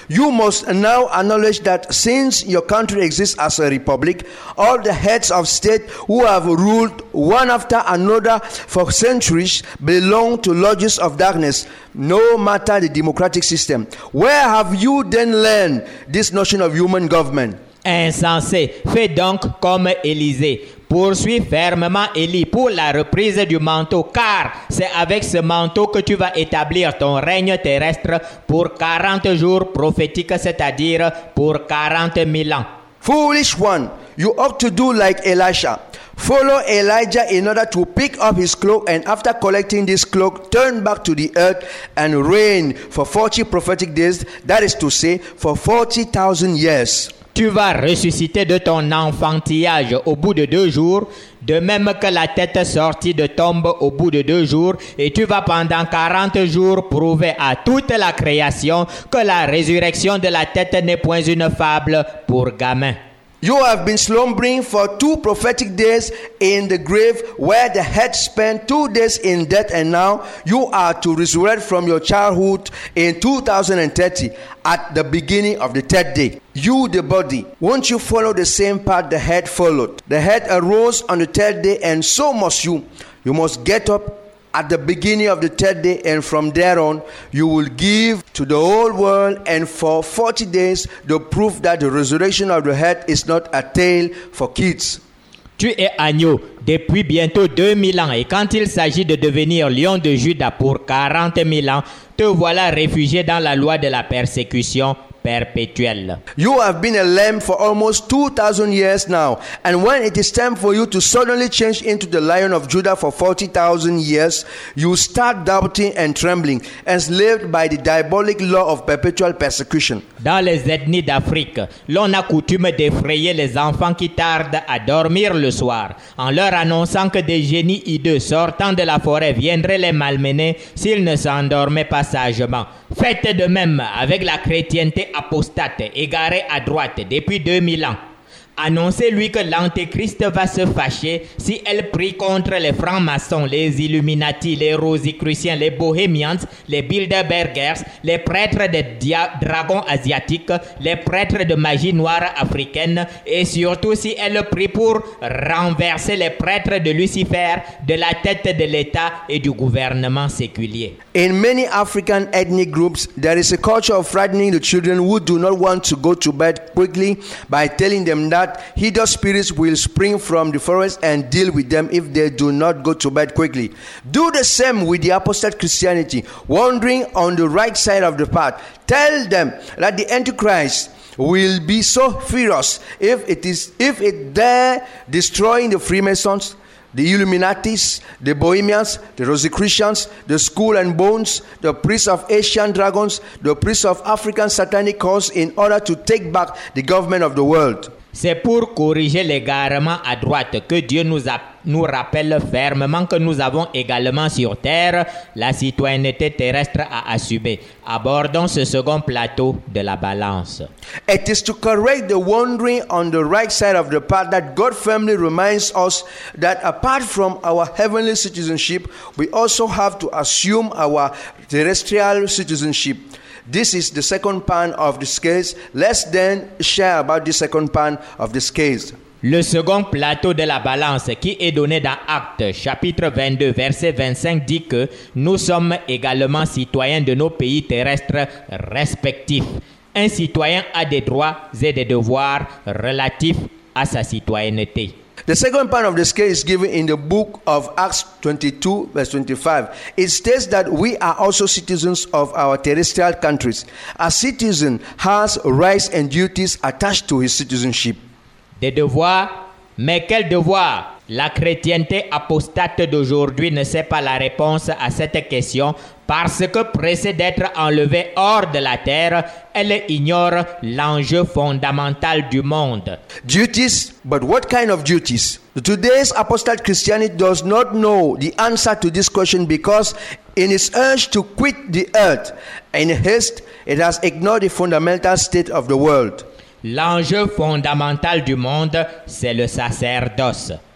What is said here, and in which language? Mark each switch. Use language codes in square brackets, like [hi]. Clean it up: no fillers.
[en] You must now acknowledge that since your country exists as a republic, all the heads of state who have ruled one after another for centuries belong to lodges of darkness, no matter the democratic system. Where have you then learned this notion of human government? [fr] Insensé, fais donc comme Élisée. Poursuis fermement Élie pour la reprise du manteau, car c'est avec ce manteau que tu vas établir ton règne terrestre pour 40 jours prophétiques, c'est-à-dire pour 40 000 ans. [en] Foolish one, you ought to do like Elisha. Follow Elijah in order to pick up his cloak, and after collecting this cloak, turn back to the earth and reign for 40 prophetic days, that is to say, for 40,000 years. [fr] Tu vas ressusciter de ton enfantillage au bout de 2 jours, de même que la tête sortie de tombe au bout de 2 jours, et tu vas pendant 40 jours prouver à toute la création que la résurrection de la tête n'est point une fable pour gamins. [en] You have been slumbering for 2 prophetic days in the grave where the head spent 2 days in death, and now you are to resurrect from your childhood in 2030 at the beginning of the 3rd day. You, the body, won't you follow the same path the head followed? The head arose on the 3rd day, and so must you. You must get up at the beginning of the 3rd day, and from there on, you will give to the whole world and for 40 days the proof that the resurrection of the head is not a tale for kids. [fr] Tu es agneau depuis bientôt 2000 ans, et quand il s'agit de devenir lion de Juda pour 40 000 ans, te voilà réfugié dans la loi de la persécution perpétuelle. [en] You have been a lamb for almost 2,000 years now, and when it is time for you to suddenly change into the lion of Judah for 40,000 years, you start doubting and trembling, enslaved by the diabolic law of perpetual persecution. [fr] Dans les ethnies d'Afrique, l'on a coutume d'effrayer les enfants qui tardent à dormir le soir, en leur annonçant que des génies hideux sortant de la forêt viendraient les malmener s'ils ne s'endormaient pas sagement. Faites de même avec la chrétienté apostate, égarée à droite depuis 2000 ans. Annoncez-lui que l'antéchrist va se fâcher si elle prie contre les francs-maçons, les Illuminati, les Rosicruciens, les Bohemians, les Bilderbergers, les prêtres de dragons asiatiques, les prêtres de magie noire africaine, et surtout si elle prie pour renverser les prêtres de Lucifer, de la tête de l'État et du gouvernement séculier. [en] In many African ethnic groups, there is a culture of frightening the children who do not want to go to bed quickly by telling them that hideous spirits will spring from the forest and deal with them if they do not go to bed quickly. Do the same with the apostate Christianity, wandering on the right side of the path. Tell them that the Antichrist will be so furious if it dare destroying the Freemasons, the Illuminatis, the Bohemians, the Rosicrucians, the Skull and Bones, the priests of Asian dragons, the priests of African satanic cults, in order to take back the government of the world. [fr] C'est pour corriger l'égarement à droite que Dieu nous rappelle fermement que nous avons également sur terre la citoyenneté terrestre à assumer. Abordons ce second plateau de la balance. [en] It is to correct the wandering on the right side of the path that God firmly reminds us that apart from our heavenly citizenship, we also have to assume our terrestrial citizenship. This is the second pan of the scales. Let's then share about the second pan of the scales. [fr] Le second plateau de la balance qui est donné dans Actes chapitre 22 verset 25 dit que nous sommes également citoyens de nos pays terrestres respectifs. Un citoyen a des droits et des devoirs relatifs à sa citoyenneté. [en] The second part of the scale is given in the book of Acts 22, verse 25. It states that we are also citizens of our terrestrial countries. A citizen has rights and duties attached to his citizenship. [fr] Des devoirs? Mais quels devoirs? La chrétienté apostate d'aujourd'hui ne sait pas la réponse à cette question parce que pressée d'être enlevée hors de la terre, elle ignore l'enjeu fondamental du monde. [en] Duties, but what kind of duties? Today's apostate Christianity does not know the answer to this question because in its urge to quit the earth, in haste, it has ignored the fundamental state of the world. [fr] L'enjeu fondamental du monde, c'est le sacerdoce.